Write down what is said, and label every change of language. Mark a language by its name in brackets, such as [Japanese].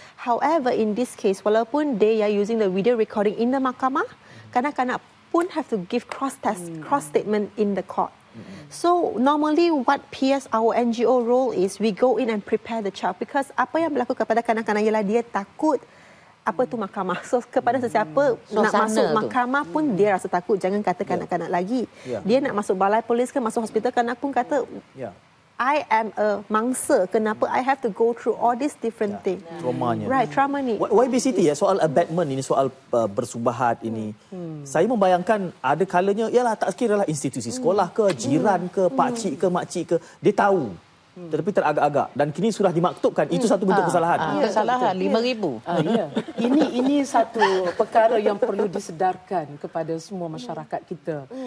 [English] However, in this case, walaupun they are using the video recording in the mahkamah, kanak-kanak pun have to give cross test, cross statement in the court. So normally what PS, our NGO role is, we go in and prepare the child. [Malay] Because apa yang berlaku kepada kanak-kanak ialah dia takut apa tu mahkamah. So kepada sesiapa nak masuk mahkamah pun dia rasa takut. Jangan kata kanak-kanak lagi. Dia nak masuk balai polis ke masuk hospital, kanak pun kata [English] I am a [Malay] mangsa. [English] Kenapa I have to go through all these different things? [Malay] Traumanya. [English] Right, trauma ni. [Malay] YBCT ya, soal abatement ini, soal bersubahat ini. Saya membayangkan ada kalanya, ialah tak kira lah institusi sekolah ke, jiran ke, pakcik ke, makcik ke, dia tahu. Tetapi teragak-agak. Dan kini sudah dimaktubkan. Itu satu bentuk kesalahan. Kesalahan, RM5,000. Ini satu perkara yang perlu disedarkan kepada semua masyarakat kita.